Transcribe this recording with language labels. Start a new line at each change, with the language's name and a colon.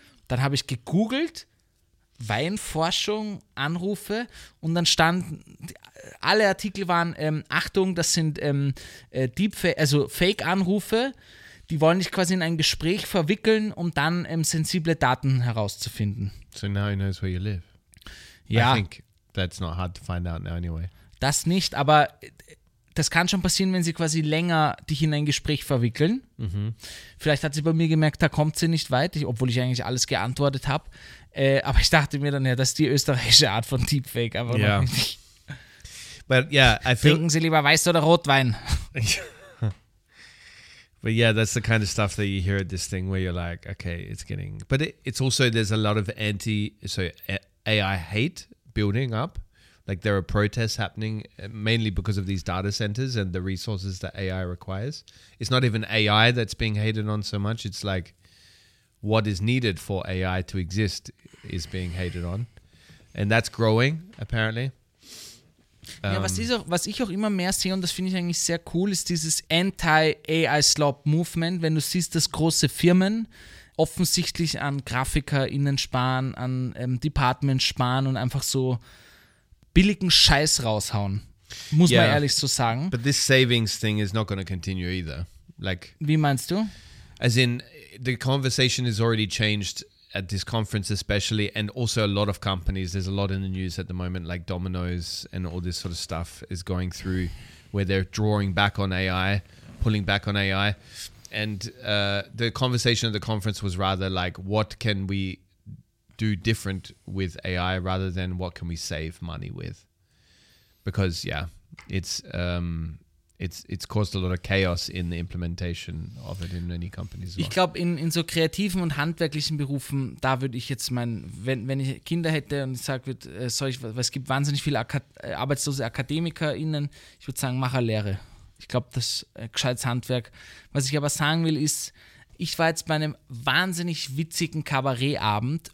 German: Dann habe ich gegoogelt, Weinforschung, Anrufe und dann standen, alle Artikel waren, Achtung, das sind Fake-Anrufe, die wollen dich quasi in ein Gespräch verwickeln, um dann sensible Daten herauszufinden.
English: So now he knows where you live.
German: Ja.
English: I think that's not hard to find out now anyway.
German: Das nicht, aber das kann schon passieren, wenn sie quasi länger dich in ein Gespräch verwickeln. Mhm. Vielleicht hat sie bei mir gemerkt, da kommt sie nicht weit, obwohl ich eigentlich alles geantwortet habe. Aber ich dachte mir dann, ja, das ist die österreichische Art von Deepfake, aber
English: yeah. But yeah, I feel
German: trinken Sie lieber Weiß- oder Rotwein.
English: But yeah, that's the kind of stuff that you hear at this thing where you're like, okay, it's getting. But it's also, there's a lot of AI hate building up. Like there are protests happening mainly because of these data centers and the resources that AI requires. It's not even AI that's being hated on so much. It's like what is needed for AI to exist is being hated on. And that's growing, apparently.
German: Was ich auch immer mehr sehe, und das finde ich eigentlich sehr cool, ist dieses Anti-AI-Slop-Movement. Wenn du siehst, dass große Firmen offensichtlich an GrafikerInnen sparen, an Departments sparen und einfach so billigen Scheiß raushauen, muss man ehrlich so sagen.
English: But this savings thing is not going to continue either. Like,
German: wie meinst du?
English: As in, the conversation has already changed at this conference especially, and also a lot of companies, there's a lot in the news at the moment, like Domino's and all this sort of stuff is going through where they're drawing back on AI, pulling back on AI. And the conversation at the conference was rather like, what can we do different with AI rather than what can we save money with? Because it's caused a lot of chaos in the implementation of it in many companies.
German: Ich glaube, in so kreativen und handwerklichen Berufen, da würde ich jetzt meinen, wenn ich Kinder hätte und ich sage, es gibt wahnsinnig viele arbeitslose AkademikerInnen, ich würde sagen, mach eine Lehre. Ich glaube, das gescheites Handwerk. Was ich aber sagen will, ist, ich war jetzt bei einem wahnsinnig witzigen Kabarettabend.